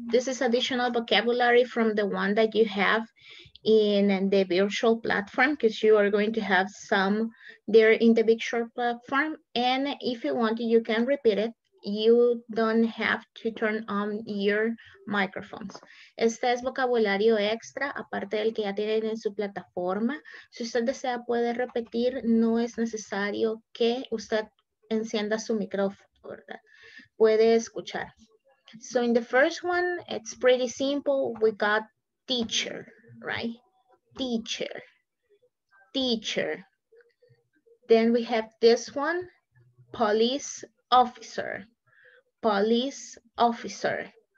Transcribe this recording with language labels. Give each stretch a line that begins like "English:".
English: This is additional vocabulary from the one that you have in the virtual platform, because you are going to have some there in the virtual platform. And if you want, you can repeat it. You don't have to turn on your microphones.
Spanish: Este es vocabulario extra, aparte del que ya tienen en su plataforma. Si usted desea, puede repetir. No es necesario que usted encienda su micrófono. Puede escuchar.
English: So in the first one, it's pretty simple. We got teacher, right? Teacher. Teacher. Then we have this one, police officer. Police officer.